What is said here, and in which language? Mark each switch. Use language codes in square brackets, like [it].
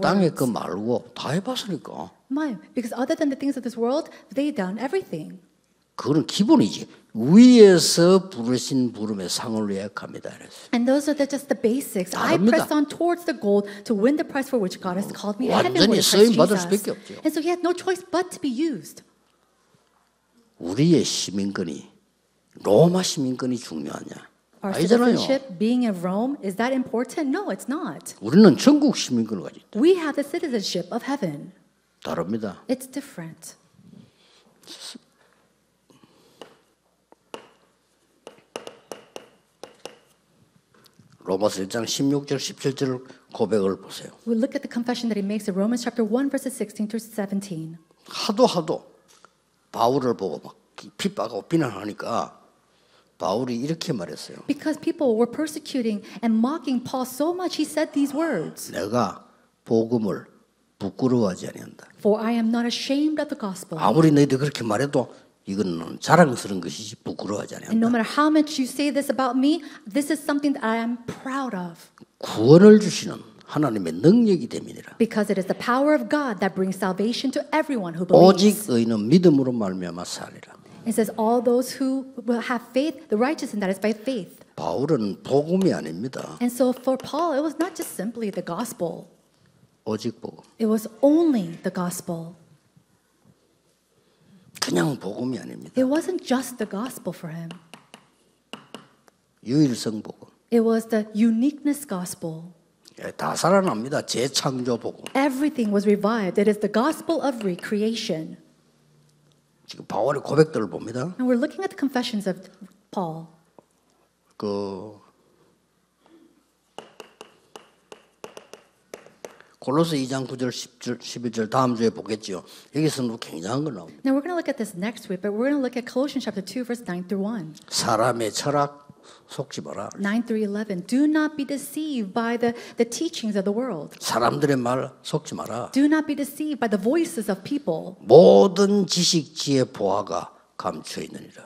[ko] 나는 땅의 것 말고 다 해봤으니까. [en] Why? Because other than the things of this world, they've done everything. [ko] 그건 기본이지. 위에서 부르신 부름의 상을 위해 갑니다. 그래서. [en] And those are just the basics. [ko] 다릅니다. [en] I press on towards the goal to win the prize for which God has called me to heaven. [ko] 완전히 쓰임 받을 수밖에 없죠. [en] And so he had no choice but to be used. [ko] 우리의 시민권이 로마 시민권이 중요하냐? 아니잖아요. [en] Citizenship being in Rome is that important? No, it's not. [ko] 우리는 천국 시민권을 가지고 있다. [en] We have the citizenship of heaven. [ko] 다릅니다. [en] It's different. [ko] 로마서 1장 16절 17절 고백을 보세요. [en] We look at the confession that he makes in Romans chapter 1 verses 16 through 17. [ko] 하도 바울을 보고 막 핍박하고 비난하니까 바울이 이렇게 말했어요. [en] Because people were persecuting and mocking Paul so much, he said these words. [ko] 내가 복음을 부끄러워하지 아니한다. [en] For I am not ashamed of the gospel. [ko] 아무리 너희들 그렇게 말해도 이건 자랑스러운 것이지 부끄러워하지 아니한다. [en] And no matter how much you say this about me, this is something that I am proud of. [ko] 구원을 주시는 하나님의 능력이 됨이니라. [en] Because it is the power of God that brings salvation to everyone who believes. [ko] 오직 의인은 믿음으로 말미암아 살리라. [en] It says all those who will have faith, the righteous, and that is by faith. [ko] 바울은 복음이 아닙니다. [en] And so for Paul, it was not just simply the gospel. [ko] 오직 복음. [en] It was only the gospel. [ko] 그냥 복음이 아닙니다. [en] It wasn't just the gospel for him. [ko] 유일성 복음. [en] It was the uniqueness gospel. [ko] 예, 다 살아납니다. 재창조 복음. [en] Everything was revived. It is the gospel of recreation. [ko] 지금 바울의 고백들을 봅니다. [en] And we're looking at the confessions of Paul. [ko] 그 골로새 2장 9절 10절 11절 다음 주에 보겠죠. 여기서는 굉장한 거 나옵니다. [en] Now we're going to look at this next week, but we're going to look at Colossians chapter 2 verse 9 through 1. [ko] 사람의 철학, 속지 마라. [en] 9:3-11. Do not be deceived by the teachings of the world. [ko] 사람들의 말 속지 마라. [en] Do not be deceived by the voices of people. [ko] 모든 지식지의 보화가 감추어 있느니라.